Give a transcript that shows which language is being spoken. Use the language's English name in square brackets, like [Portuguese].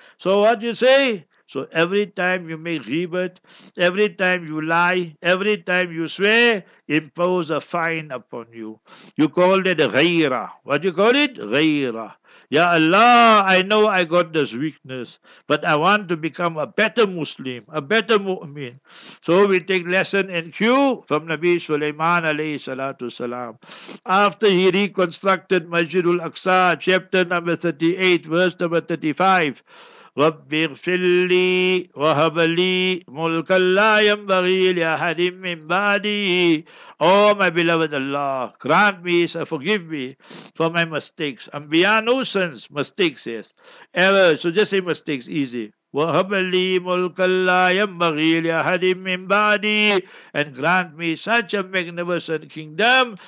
[English] So what you say? So every time you make rebirth, every time you lie, every time you swear, impose a fine upon you. You call that a ghaira. What do you call it? Ghaira. Ya Allah, I know I got this weakness, but I want to become a better Muslim, a better mu'min. So we take lesson and cue from Nabi Sulaiman alayhi salatu salam. After he reconstructed Masjid al-Aqsa, chapter number 38, verse number 35, [Arabic] رَبِّ اغْفِرْ لِي وَهَبْ لِي مُلْكَ لَا يَنْبَغِي لِأَحَدٍ مِّن بَعْدِي. [English] Oh, my beloved Allah, grant me, sir, forgive me for my mistakes. I'm beyond nuisance. Mistakes, yes. Errors. So just say mistakes, easy. [Arabic] وَهَبْ لِي مُلْكَ لَا يَنْبَغِي لِأَحَدٍ مِّن بَعْدِي. [English] And grant me such a magnificent kingdom.